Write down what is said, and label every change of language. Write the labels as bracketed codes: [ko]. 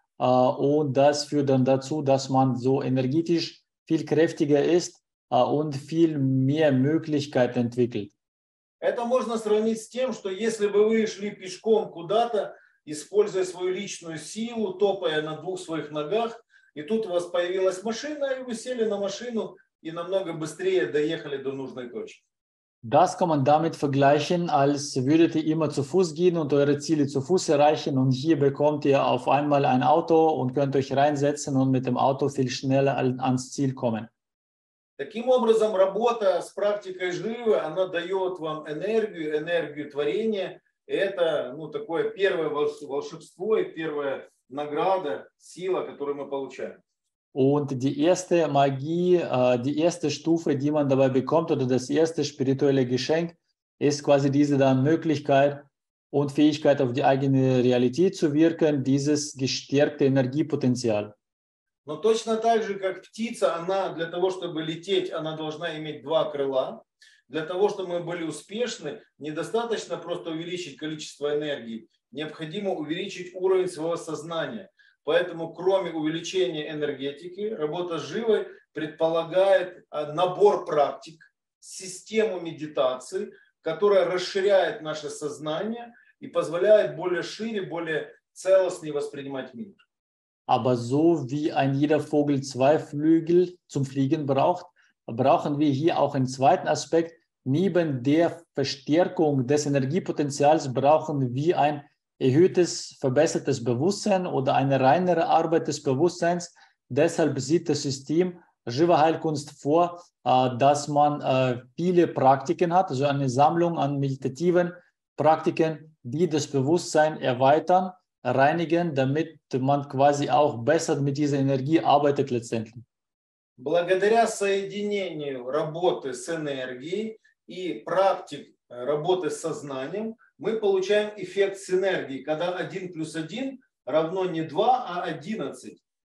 [de] Und das führt dann dazu, dass man so energetisch viel kräftiger ist und viel mehr Möglichkeiten entwickelt. [ru] Это можно сравнить с тем, что если бы вы шли пешком куда-то, используя свою личную силу, топая на двух своих ногах, и тут у вас появилась машина, и вы сели на машину и намного быстрее доехали до нужной точки. [de] Das kann man damit vergleichen, als würdet ihr immer zu Fuß gehen und eure Ziele zu Fuß erreichen und hier bekommt ihr auf einmal ein Auto und könnt euch reinsetzen und mit dem Auto viel schneller ans Ziel kommen. [ru] Таким образом, работа с практикой живы, она дает вам энергию, энергию творения. Это, ну, такое первое волшебство и первая награда, сила, которую мы получаем. [de] Und die erste Magie, die erste Stufe, die man dabei bekommt, oder das erste spirituelle Geschenk, ist quasi diese dann Möglichkeit und Fähigkeit, auf die eigene Realität zu wirken, dieses gestärkte Energiepotenzial. [ru] Но точно так же, как птица, она для того, чтобы лететь, она должна иметь два крыла. Для того, чтобы мы были успешны, недостаточно просто увеличить количество энергии, необходимо увеличить уровень своего сознания. Поэтому, кроме увеличения энергетики, работа с живой предполагает набор практик, систему медитации, которая расширяет наше сознание и позволяет более шире, более целостно воспринимать мир. [de] Aber so wie ein jeder Vogel zwei Flügel zum Fliegen braucht, brauchen wir hier auch einen zweiten Aspekt. Neben der Verstärkung des Energiepotenzials brauchen wir ein erhöhtes, verbessertes Bewusstsein oder eine reinere Arbeit des Bewusstseins. Deshalb sieht das System Shiva Heilkunst vor, dass man viele Praktiken hat, also eine Sammlung an meditativen Praktiken, die das Bewusstsein erweitern, reinigen, damit man quasi auch besser mit dieser Energie arbeitet letztendlich. [ru] Благодаря соединению работы с энергией и практик работы с сознанием мы получаем эффект синергии, когда 1 плюс 1 равно не 2, а 11.